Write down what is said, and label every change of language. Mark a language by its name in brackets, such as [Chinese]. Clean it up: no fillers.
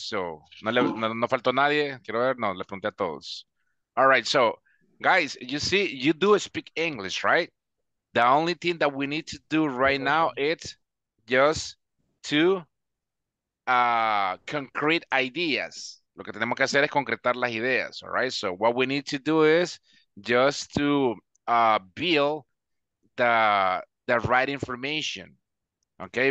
[Spanish] So no faltó nadie. Quiero ver, no, le pregunté a todos. [English] All right, so guys, you see, you do speak English, right? The only thing that we need to do right now is just to concrete ideas. [Spanish] Lo que tenemos que hacer es concretar las ideas, [English] all right? So what we need to do is just to build the right information, okay?